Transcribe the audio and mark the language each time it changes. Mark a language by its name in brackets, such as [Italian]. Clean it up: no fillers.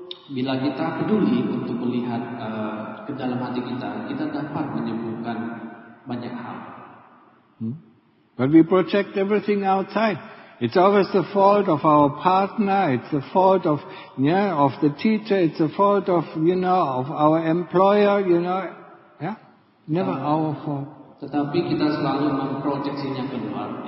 [Indonesian] Bila kita peduli untuk melihat ke dalam hati kita, kita dapat menyembuhkan banyak hal. [English] But we project everything outside. It's always the fault of our partner. It's the fault of, yeah, of the teacher. It's the fault of, you know, of our employer. You know, yeah, never our fault. [Indonesian] Tetapi kita selalu memproyeksinya keluar.